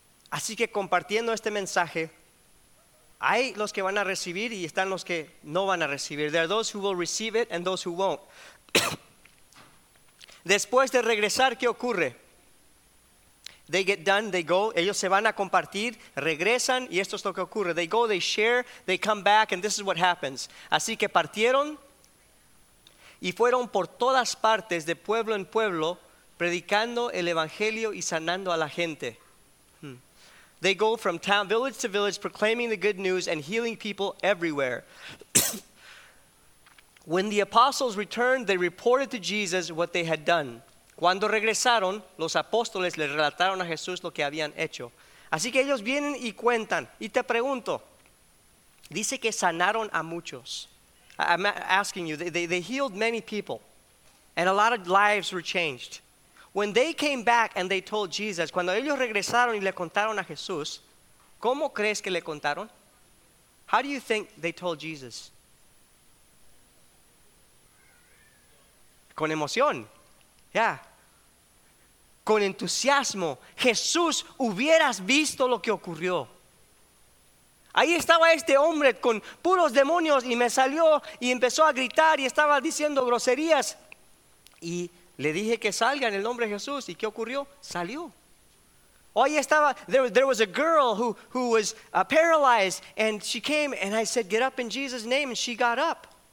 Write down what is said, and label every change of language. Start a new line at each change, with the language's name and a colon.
Spanish: Así que compartiendo este mensaje, hay los que van a recibir y están los que no van a recibir.
English: There are those who will receive it and those who won't.
Spanish: Después de regresar, ¿qué ocurre?
English: They get done, they go.
Spanish: Ellos se van a compartir, regresan y esto es lo que ocurre.
English: They go, they share, they come back and this is what happens.
Spanish: Así que partieron y fueron por todas partes, de pueblo en pueblo, predicando el evangelio y sanando a la gente.
English: They go from town, village to village, proclaiming the good news and healing people everywhere. When the apostles returned, they reported to Jesus what they had done.
Spanish: Cuando regresaron, los apóstoles le relataron a Jesús lo que habían hecho. Así que ellos vienen y cuentan. Y te pregunto, dice que sanaron a muchos.
English: I'm asking you, they healed many people. And a lot of lives were changed. When they came back and they told Jesus,
Spanish: cuando ellos regresaron y le contaron a Jesús, ¿cómo crees que le contaron?
English: How do you think they told Jesus?
Spanish: Con emoción. Yeah. con entusiasmo. Jesús, hubieras visto lo que ocurrió. Ahí estaba este hombre con puros demonios y me salió y empezó a gritar y estaba diciendo groserías. Y le dije que salga en el nombre de Jesús. ¿Y qué ocurrió? Salió. O ahí estaba,
English: there was a girl who was paralyzed and she came and I said, get up in Jesus' name, and she got up.